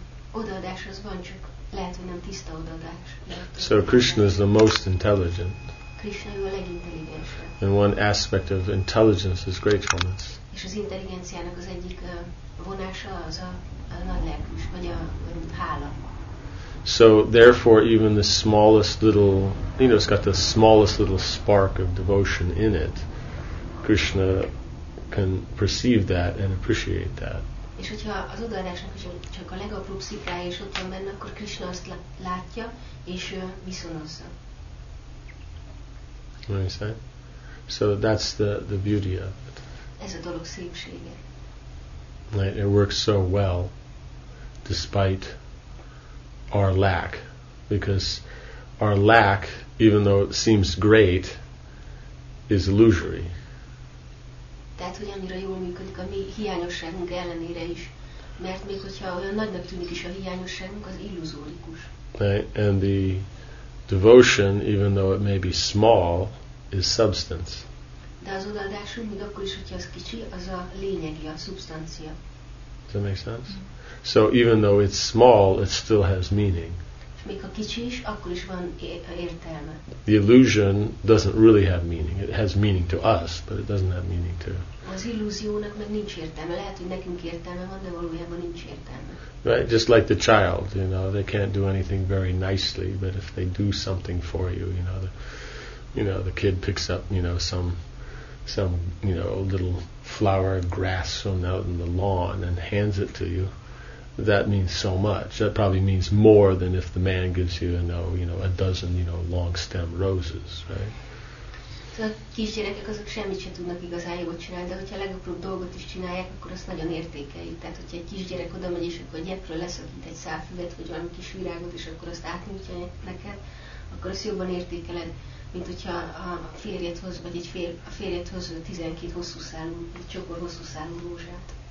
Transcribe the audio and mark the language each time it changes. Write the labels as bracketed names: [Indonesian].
[Hungarian] Odaadáshoz van, csak lehet, hogy nem tiszta odaadás. [English] So Krishna is the most intelligent. [Hungarian] Krishna a legintelligensebb. [English] And one aspect of intelligence is gratefulness. [Hungarian] És az intelligenciának az egyik vonása az a nagy lelkűs, vagy a hála. [English] So therefore even the smallest little, you know, it's got the smallest little spark of devotion in it, Krishna can perceive that and appreciate that. [Hungarian] És hogyha az odaadásnak csak a legapróbb sziklája is ott van benne, akkor Krishna azt látja és viszonozza. [English] What do you say? So that's the beauty of it. [Hungarian] Ez a dolog szépsége. [English] Right, it works so well despite our lack, because our lack, even though it seems great, is illusory. [Hungarian] Tehát, hogy annyira jól működik a mi hiányosságunk ellenére is, mert még hogyha olyan nagynak tűnik is a hiányosságunk, az illuzórikus. [English] And the devotion, even though it may be small, is substance. [Hungarian] De az odaadásunk, még akkor is, hogyha az kicsi, az a lényegi, a szubstancia. [English] Does that make sense? Mm-hmm. So even though it's small, it still has meaning. [Hungarian] Még ha kicsi is, akkor is van értelme. [English] The illusion doesn't really have meaning. It has meaning to us, but it doesn't have meaning to. [Hungarian] Az illúziónak meg nincs értelme. Lehet, hogy nekünk értelme van, de valójában nincs értelme. [English] Right, just like the child, you know, they can't do anything very nicely, but if they do something for you, you know, the kid picks up, you know, some, you know, little flower, grass from out in the lawn and hands it to you. That means so much. That probably means more than if the man gives you, a dozen, long stem roses, right? [Hungarian] Szóval kisgyerekek azok semmit sem tudnak igazán jól csinálni, de hogyha a legapróbb dolgot is csinálják, akkor azt nagyon értékeljük. Tehát, hogyha egy kisgyerek oda megy, és akkor a gyepről leszakít egy szál füvet, vagy valami kis virágot, és akkor azt átnyújtja neked, akkor azt jobban értékeled, mint hogyha a férjed hoz, vagy a férjed hoz 12 hosszú szálú, egy csokor hosszú szálú rózsát.